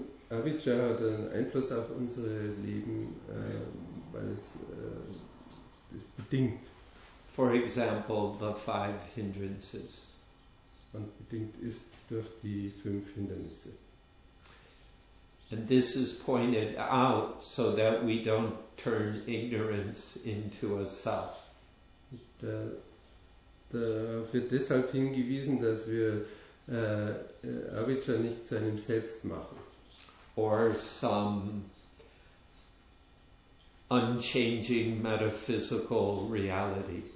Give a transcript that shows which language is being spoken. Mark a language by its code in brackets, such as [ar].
[de] Avijja hat einen Einfluss auf unsere Leben, weil es das bedingt. [en] For example, the five hindrances. [de] Und bedingt ist durch die fünf Hindernisse. [en] And this is pointed out so that we don't turn ignorance into a self. [de] Da wird deshalb hingewiesen, dass wir Avijja nicht zu einem Selbst machen. [en] Or some unchanging metaphysical reality.